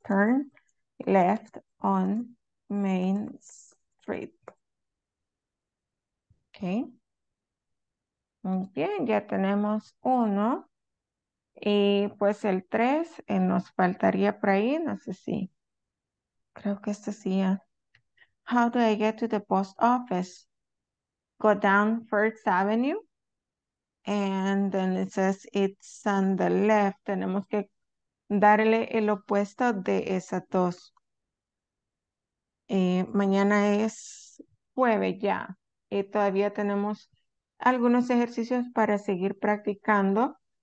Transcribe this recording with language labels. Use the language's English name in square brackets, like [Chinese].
[English] Turn left on Main Street. [Spanish] Okay. Muy bien, ya tenemos uno. Y pues el tres nos faltaría por ahí, no sé si. Creo que esto sí. [English] How do I get to the post office? Go down First Avenue. And then it says it's on the left. [Spanish] Tenemos que darle el opuesto de esas dos. Mañana es jueves ya. Y todavía tenemos algunos ejercicios para seguir practicando.